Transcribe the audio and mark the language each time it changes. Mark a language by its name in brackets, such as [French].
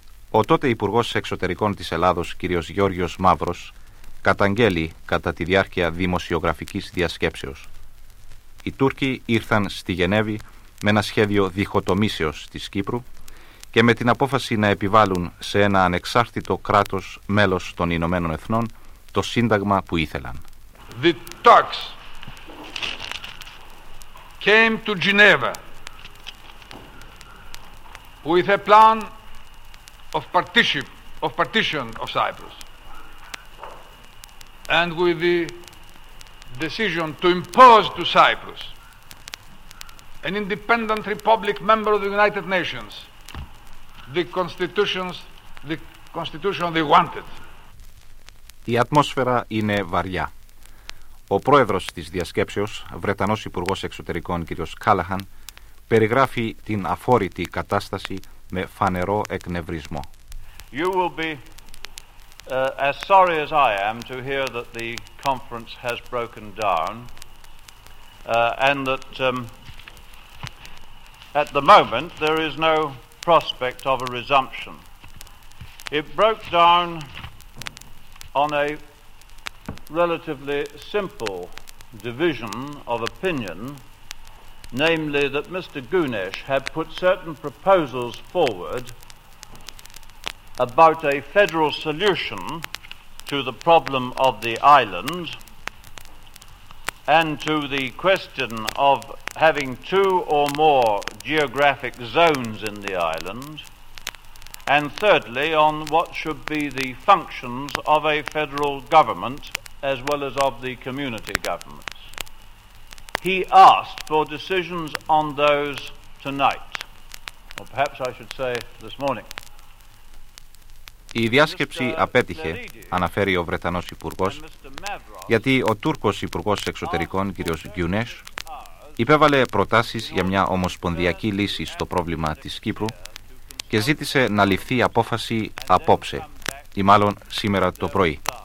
[Greek] Ο τότε Υπουργός Εξωτερικών της Ελλάδος, κύριος Γιώργιος Μαύρος, καταγγέλει κατά τη διάρκεια δημοσιογραφικής διασκέψεως: οι Τούρκοι ήρθαν στη Γενέβη με ένα σχέδιο διχοτομήσεως της Κύπρου και με την απόφαση να επιβάλλουν σε ένα ανεξάρτητο κράτος μέλος των Ηνωμένων Εθνών το σύνταγμα που ήθελαν. [English] The Turks came to Geneva with a plan of partition of Cyprus and with the decision to impose to Cyprus an independent republic member of the United Nations the constitution they wanted. [Greek] Η ατμόσφαιρα είναι βαριά. Ο πρόεδρος της διασκέψεως, Βρετανός Υπουργός Εξωτερικών κ. Callaghan, περιγράφει την αφόρητη κατάσταση με φανερό εκνευρισμό. [English] You will be as sorry as I am to hear that the conference has broken down and that at the moment there is no prospect of a resumption. It broke down on a relatively simple division of opinion namely that Mr. Gunesh had put certain proposals forward about a federal solution to the problem of the island and to the question of having two or more geographic zones in the island, and thirdly, on what should be the functions of a federal government as well as of the community governments. He asked for decisions on those tonight, or perhaps I should say this morning. [Greek] Η διάσκεψη απέτυχε, αναφέρει ο Βρετανός Υπουργός, γιατί ο Τούρκος Υπουργός Εξωτερικών, κ. Γκιουνές, υπέβαλε προτάσεις για μια ομοσπονδιακή λύση στο πρόβλημα της Κύπρου και ζήτησε να ληφθεί απόφαση απόψε, ή μάλλον σήμερα το πρωί.